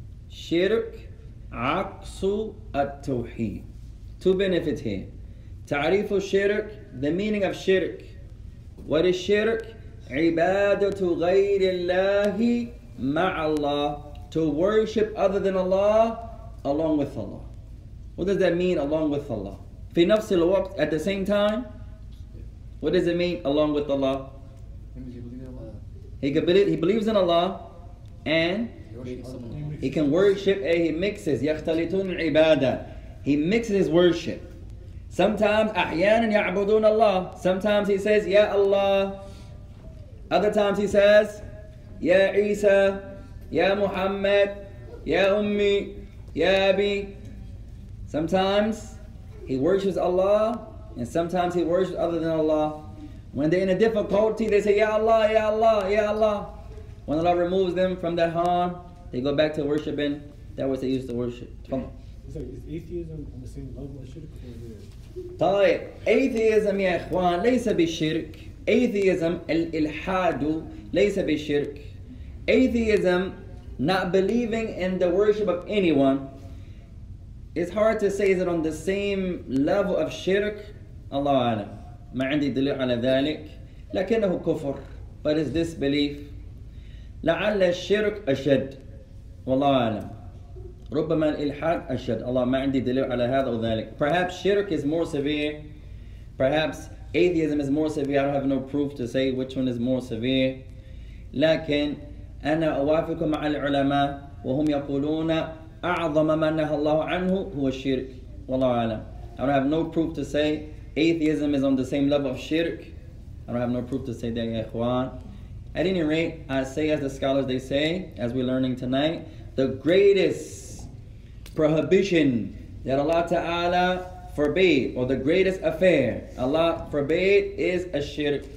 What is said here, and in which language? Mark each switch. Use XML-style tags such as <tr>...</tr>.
<en>Shirk</en> <ar>عكس التوحيد.</ar> <en>Two benefits here.</en> <ar>تعريف الشرك,</ar> <en>the meaning of shirk. What is shirk?</en> <ar>عبادة غير الله مع الله.</ar> <en>To worship other than Allah, along with Allah. What does that mean, along with Allah?</en> <ar>في نفس الوقت,</ar> <en>at the same time? What does it mean, along with Allah? He believes in Allah, and he can worship, and he mixes.</en> <ar>يختلطون العبادة.</ar> <en>He mixes his worship. Sometimes,</en> <ar>أحيانا يعبدون الله.</ar> <en>Sometimes he says,</en> <ar>يا الله.</ar> <en>Other times he says,</en> <ar>يا عيسى, يا محمد, يا أمي, يا أبي.</ar> <en>Sometimes he worships Allah, and sometimes he worships other than Allah. When they're in a difficulty, they say,</en> <ar>يا الله, يا الله, يا الله.</ar> <en>When Allah removes them from that harm, they go back to worshiping. That was they used to worship. So is atheism on the same level as shirk?</en> <ar>طيب, atheism يا إخوان ليس بالشرك. Atheism, الإلحاد ليس بالشرك.</ar> <en>Atheism, not believing in the worship of anyone, it's hard to say is it on the same level of shirk.</en> <ar>الله أعلم, ما عندي دليل على ذلك. لكنه كفر,</ar> <en>but it's disbelief.</en> <ar>لعل الشرك أشد, والله أعلم. ربما الإلحاد أشد. الله ما عندي دليل على هذا أو ذلك.</ar> <en>Perhaps shirk is more severe. Perhaps atheism is more severe. I don't have no proof to say which one is more severe.</en> <ar>لكن أنا أوافق مع العلماء وهم يقولون أعظم ما نهى الله عنه هو الشرك. Wallahu alam.</ar> <en>I don't have no proof to say atheism is on the same level of shirk. I don't have no proof to say that, ya ikhwan. At any rate, I say, as the scholars they say, as we're learning tonight, the greatest prohibition that Allah Ta'ala forbade, or the greatest affair Allah forbade, is a shirk.</en>